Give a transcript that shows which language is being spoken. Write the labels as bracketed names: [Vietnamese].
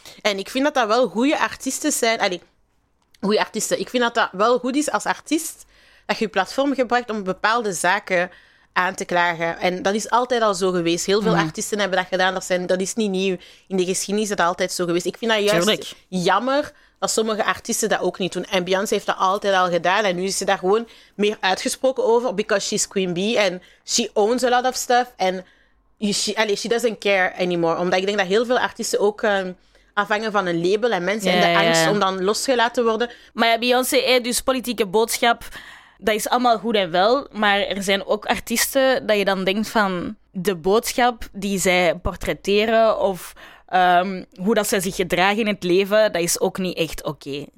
[Dutch] En ik vind dat dat wel goede artiesten zijn. Ik vind dat dat wel goed is als artiest, dat je platform gebruikt om bepaalde zaken aan te klagen. En dat is altijd al zo geweest. Heel veel artiesten hebben dat gedaan. Dat is niet nieuw. In de geschiedenis is dat altijd zo geweest. Ik vind dat juist jammer dat sommige artiesten dat ook niet doen. En Beyoncé heeft dat altijd al gedaan. En nu is ze daar gewoon meer uitgesproken over. [English] Because she's Queen Bee. En she owns a lot of stuff. En she doesn't care anymore. [Dutch] Omdat ik denk dat heel veel artiesten ook afhangen van een label. En mensen in de angst om dan losgelaten te worden. Maar ja, Beyoncé, dus politieke boodschap, dat is allemaal goed en wel. Maar er zijn ook artiesten dat je dan denkt van de boodschap die zij portretteren of hoe dat zij zich gedragen in het leven, dat is ook niet echt oké.